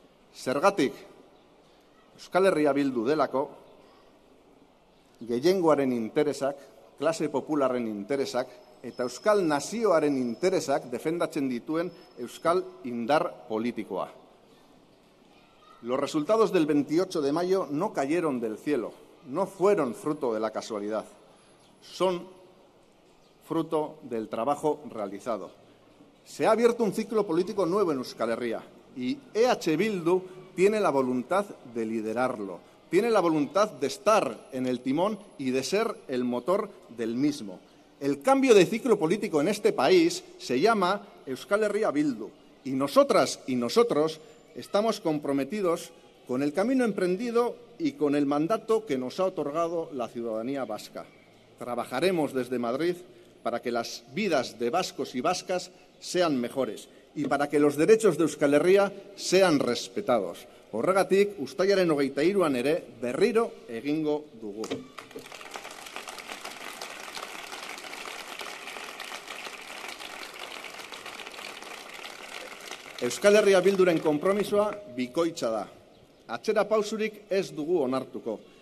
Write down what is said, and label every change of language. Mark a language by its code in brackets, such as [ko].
[eu] Zergatik, Euskal Herria Bildu delako, gehiengoaren interesak, klase popularren interesak eta euskal nazioaren interesak defendatzen dituen euskal indar politikoa. [es] Los resultados del 28 de mayo no cayeron del cielo, no fueron fruto de la casualidad, son fruto del trabajo realizado. Se ha abierto un ciclo político nuevo en Euskal Herria y EH Bildu tiene la voluntad de liderarlo. Tiene la voluntad de estar en el timón y de ser el motor del mismo. El cambio de ciclo político en este país se llama Euskal Herria Bildu. Y nosotras y nosotros estamos comprometidos con el camino emprendido y con el mandato que nos ha otorgado la ciudadanía vasca. Trabajaremos desde Madrid para que las vidas de vascos y vascas sean mejores y para que los derechos de Euskal Herria sean respetados. [eu] Horregatik, uztailaren 23an ere berriro egingo dugu. Euskal Herria Bilduren konpromisoa bikoitza da. Atzera pausurik ez dugu onartuko.